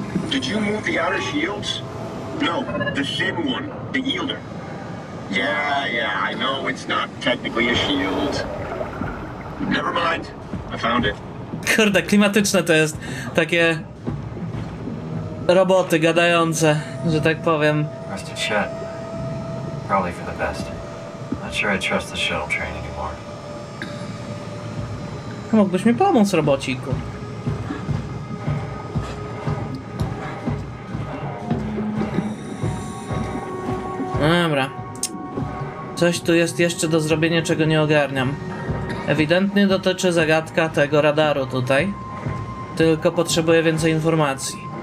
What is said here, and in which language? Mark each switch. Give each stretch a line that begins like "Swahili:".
English: Did you move the outer shields? No, the thin one, the yielder. Yeah, I know it's not technically a shield. Never mind, I found it.
Polish: Kurde, klimatyczne to jest, takie roboty gadające, że tak powiem.
English: Rusted shut. Probably for the best. Not sure I trust the shuttle train anymore.
Polish: Mógłbyś mi pomóc, robociku. Dobra. Coś tu jest jeszcze do zrobienia, czego nie ogarniam. Ewidentnie dotyczy zagadka tego radaru tutaj. Tylko potrzebuję więcej informacji.